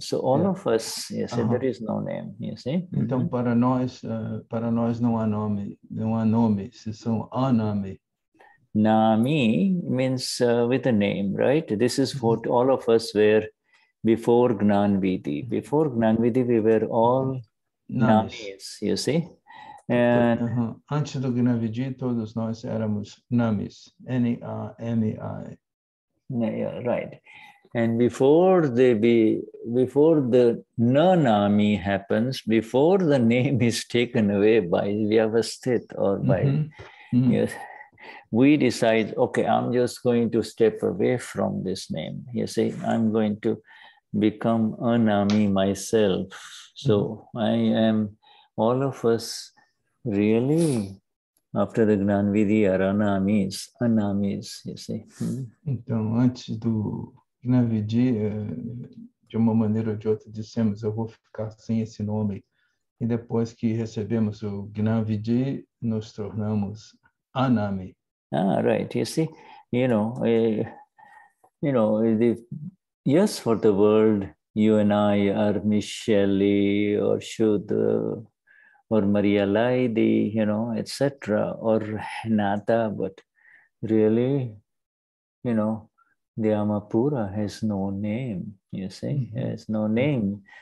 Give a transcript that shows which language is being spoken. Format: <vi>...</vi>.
<en>So all of us, you see, there is no name, you see? Mm-hmm.</en> <pt>Então, para nós não há nome, não há nome, se são A-Nami.</pt> <en>Nami means with a name, right? This is what all of us were. Before Gnanvidhi. Before Gnanvidhi, we were all Namis, you see? And</en> <pt>antes do Gnanvidhi, todos nós éramos Namis.</pt> <en>N-A-M-E-I. Yeah, right. And before the Nanami happens, before the name is taken away by Vyavasthit or by yes. We decide, okay, I'm just going to step away from this name. You see, I'm going to become Anami myself. So I am, all of us really, after the Gnanvidhi are Anamis, Anamis, you see.</en> <pt>Então, antes do Gnanvidhi, de uma maneira ou de outra, dissemos, eu vou ficar sem esse nome. E depois que recebemos o Gnanvidhi, nos tornamos Anami.</pt> <en>Ah, right, you see, the yes, for the world, you and I are Michele or Shuddha or Maria Laidi, you know, etc., or Nata, but really, you know, the Amapura has no name, you see, has no name.</en>